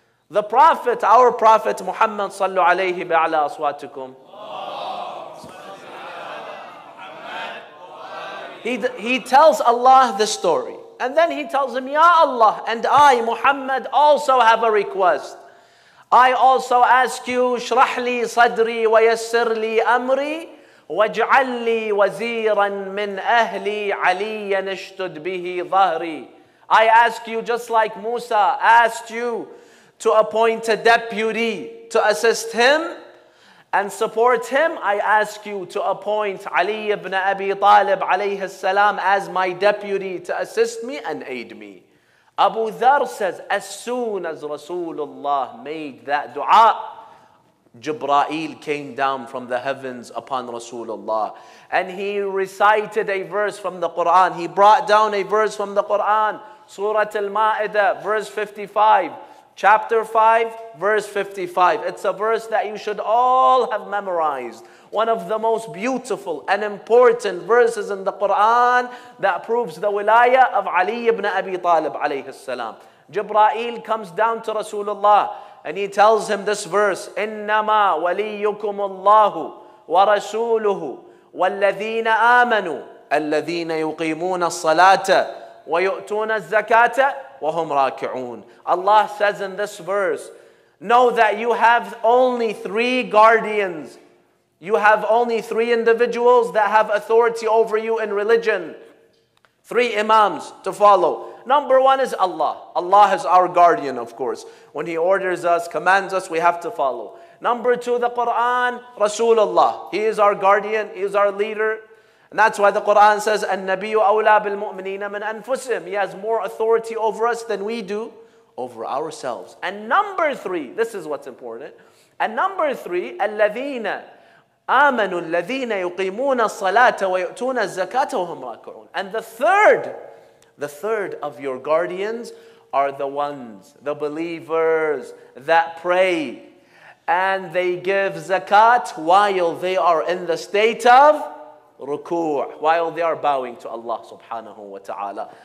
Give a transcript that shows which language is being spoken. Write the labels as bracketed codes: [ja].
[en] The Prophet, our Prophet Muhammad, [ar] صلوا عليه بعلى أصواتكم. [en] He tells Allah the story. And then he tells him, Ya Allah, and I, Muhammad, also have a request. I also ask you, [ar] شرح لي صدري ويسر لي أمري واجعل لي وزيرا من أهلي عليا نشتد به ظهري. [en] I ask you, just like Musa asked you, to appoint a deputy to assist him and support him, I ask you to appoint Ali ibn Abi Talib alayhi salam as my deputy to assist me and aid me. Abu Dharr says, as soon as Rasulullah made that dua, Jibra'il came down from the heavens upon Rasulullah. And he recited a verse from the Quran. He brought down a verse from the Quran, Surah Al-Ma'idah, verse 55. Chapter 5, verse 55. It's a verse that you should all have memorized. One of the most beautiful and important verses in the Quran that proves the wilaya of Ali ibn Abi Talib alayhi salam. Jibra'il comes down to Rasulullah and he tells him this verse, [ar] إِنَّمَا وَلِيُّكُمُ اللَّهُ وَرَسُولُهُ وَالَّذِينَ آمَنُوا الَّذِينَ يُقِيمُونَ الصَّلَاةَ وَيُؤْتُونَ الزَّكَاةَ وَهُمْ رَاكِعُونَ. [en] Allah says in this verse, know that you have only three guardians. You have only three individuals that have authority over you in religion. Three imams to follow. Number one is Allah. Allah is our guardian, of course. When He orders us, commands us, we have to follow. Number two, the Quran, Rasulullah. He is our guardian, He is our leader. And that's why the Quran says, [ar] النَّبِيُّ أَوْلَى بِالْمُؤْمِنِينَ مِنْ أَنفُسِهِمْ. [en] He has more authority over us than we do over ourselves. And number three, this is what's important. And number three, [ar] الَّذِينَ آمَنُوا الَّذِينَ يُقِيمُونَ الصَّلَاةَ وَيُؤْتُونَ الزَّكَاةَ وَهُمْ رَاكِعُونَ. [en] And the third of your guardians are the ones, the believers that pray and they give zakat while they are in the state of ruku' while they are bowing to Allah subhanahu wa ta'ala.